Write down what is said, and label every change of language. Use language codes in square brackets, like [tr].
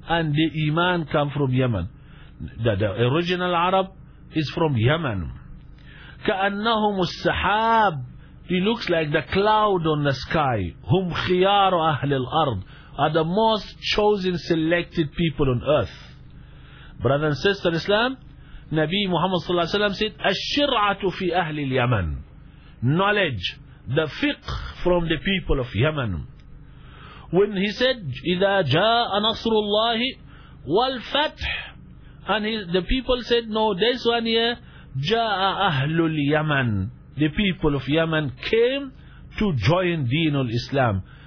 [en] And the iman come from Yemen. The original Arab is from Yemen. [ar] كأنهم السحاب. [en] He looks like the cloud on the sky. [ar] هم خيار أهل الأرض. [en] Are the most chosen, selected people on earth. Brother and sister Islam, Nabi Muhammad صلى الله عليه وسلم said, [ar] الشرعة في أهل اليمن. [en] Knowledge, the fiqh from the people of Yemen. When he said, [ar] إِذَا جَاءَ نَصْرُ اللَّهِ وَالْفَتْحِ, [en] and the people said, no, this one here, [ar] جَاءَ أَهْلُ الْيَمَنِ, [en] the people of Yemen came to join Deenul Islam.